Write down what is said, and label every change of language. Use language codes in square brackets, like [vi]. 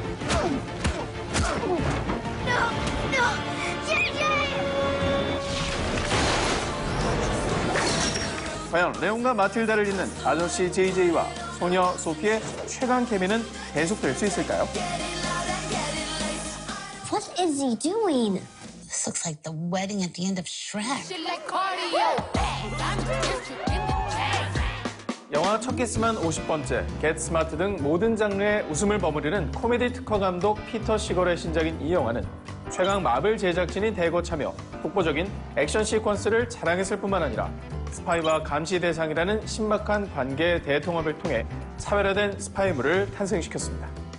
[en] No, no, JJ! [ko] 과연 레온과 마틸다를 잇는 아저씨 JJ와 소녀 소피의 최강 케미는 계속될 수 있을까요? [en] What is he doing? This looks like the wedding at the end of Shrek. [ko] 영화 첫 키스만 50번째, 겟스마트 등 모든 장르의 웃음을 버무리는 코미디 특허 감독 피터 시걸의 신작인 이 영화는 최강 마블 제작진이 대거 참여, 독보적인 액션 시퀀스를 자랑했을 뿐만 아니라 스파이와 감시 대상이라는 신박한 관계 대통합을 통해 차별화된 스파이물을 탄생시켰습니다.